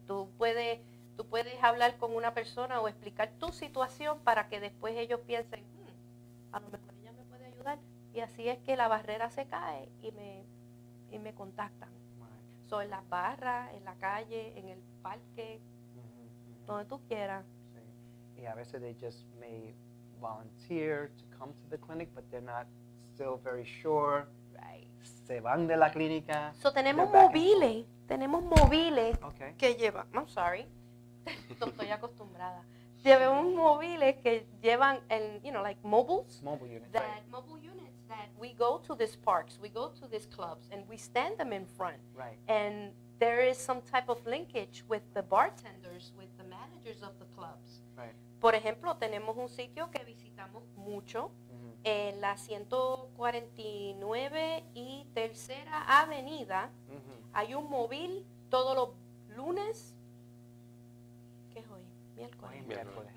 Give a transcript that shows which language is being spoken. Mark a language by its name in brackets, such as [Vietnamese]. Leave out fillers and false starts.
[Spanish] Tú puedes hablar con una persona o explicar tu situación para que después ellos piensen, a lo mejor ella me puede ayudar. Y así es que la barrera se cae y me contactan. So, en las barras, en la calle, en el parque, donde tú quieras. Sí. Y a veces [English] they just may volunteer to come to the clinic, but they're not still very sure. Right. [Spanish] Se van de la clínica. So, tenemos móviles [English] okay. [Spanish] que llevan, [English] I'm sorry, [Spanish] no estoy acostumbrada. Llevamos móviles que llevan, en, [English] you know, like mobiles. Mobile units. That right. Mobile units. That we go to these parks, we go to these clubs, and we stand them in front. Right. And there is some type of linkage with the bartenders, with the managers of the clubs. Right. [Spanish] Por ejemplo, tenemos un sitio que visitamos mucho, en la 149 y Tercera Avenida. Hay un móvil todos los lunes. ¿Qué es hoy? Miércoles.